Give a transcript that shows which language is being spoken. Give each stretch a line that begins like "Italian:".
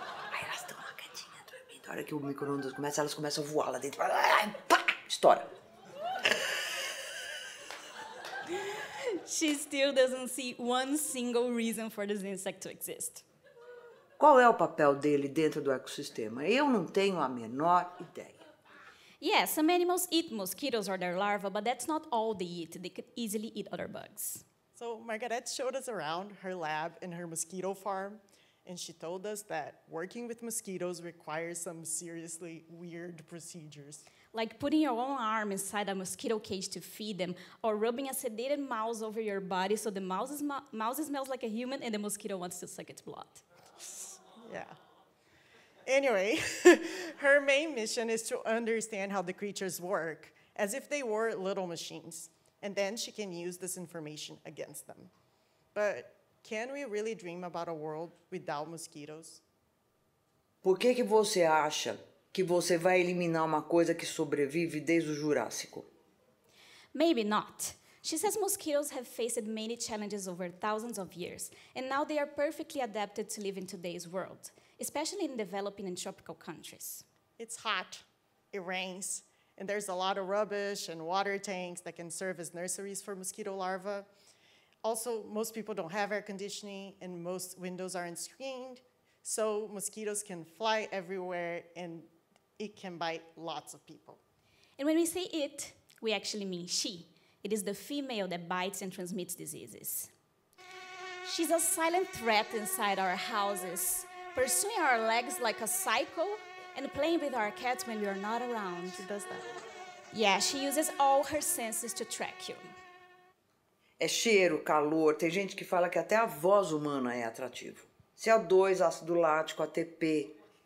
Portuguese: Aí elas estão lá quietinhas, dormindo. A hora que o micro-ondas começa, elas começam a voar lá dentro. Pá! Estoura.
English: She still doesn't see one single reason for this insect to exist.
Portuguese: Qual é o papel dele dentro do ecossistema? Eu não tenho a menor ideia.
English: Yeah, some animals eat mosquitoes or their larvae, but that's not all they eat. They could easily eat other bugs. So Margarete showed us around her lab and her mosquito farm, and she told us that working with mosquitoes requires some seriously weird procedures. Like putting your own arm inside a mosquito cage to feed them, or rubbing a sedated mouse over your body so the mouse smells like a human and the mosquito wants to suck its blood. Yeah. Anyway, her main mission is to understand how the creatures work, as if they were little machines. And then she can use this information against them. But can we really dream about a world without mosquitoes?
Portuguese: Por que que você acha que você vai eliminar uma coisa que sobrevive desde o Jurássico?
English: Maybe not. She says mosquitoes have faced many challenges over thousands of years, and now they are perfectly adapted to live in today's world, especially in developing and tropical countries. It's hot, it rains, and there's a lot of rubbish and water tanks that can serve as nurseries for mosquito larvae. Also, most people don't have air conditioning and most windows aren't screened, so mosquitoes can fly everywhere and it can bite lots of people. And when we say it, we actually mean she. It is the female that bites and transmits diseases. She's a silent threat inside our houses, pursuing our legs like a psycho, and playing with our cats when you're not around. She does that. Yeah, she uses all her senses to track you.
Portuguese: É cheiro, calor. Tem gente que fala que até a voz humana é atrativo. CO2, ácido lático, ATP.